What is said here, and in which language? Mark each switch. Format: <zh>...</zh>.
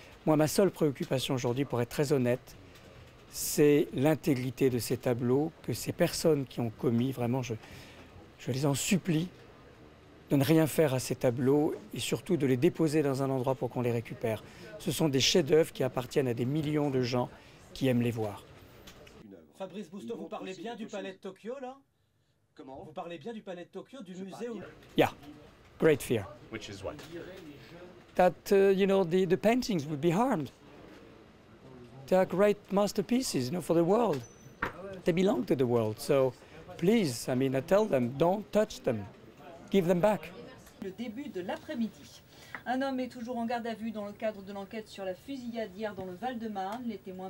<fr>Moi, ma seule préoccupation aujourd'hui, pour être très honnête, c'est l'intégrité de ces tableaux, que ces personnes qui ont commis, vraiment, je les en supplie, de ne rien faire à ces tableaux et surtout de les déposer dans un endroit pour qu'on les récupère. Ce sont des chefs-d'œuvre qui appartiennent à des millions de gens qui aiment les voir. Fabrice Bousteau, vous parlez bien du palais de Tokyo, là? Comment? Vous parlez bien du palais de Tokyo, du musée où...</fr> <en>Yeah, Great Fear. Which is what? That, you know, the paintings would be harmed. They are great masterpieces, you know, for the world. They belong to the world, so... Please, I mean, I tell them, don't touch them. Give them back.</en> <fr>Le début de l'après-midi. Un homme est toujours en garde à vue dans le cadre de l'enquête sur la fusillade hier dans le Val-de-Marne. Les témoins...</fr>